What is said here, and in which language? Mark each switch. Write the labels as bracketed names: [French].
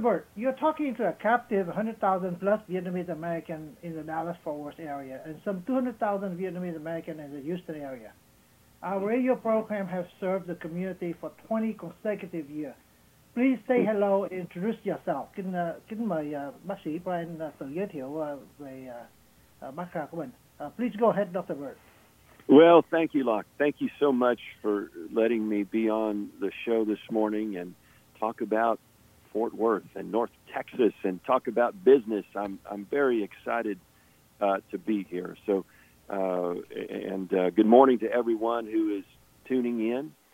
[English] Bird, you're talking to a captive 100,000 plus Vietnamese American in the Dallas-Fort Worth area and some 200,000 Vietnamese American in the Houston area. Our radio program has served the community for 20 consecutive years. Please say hello and introduce yourself. [Vietnamese] Kính mời bác sĩ Brian tự giới thiệu về background của mình. [English] Please go ahead, Dr. Bird. Well, thank you, Locke. Thank you so much for letting me be on the show this morning and talk about Fort Worth and North Texas and talk about business. I'm very excited to be here. So, good morning to everyone who is tuning in.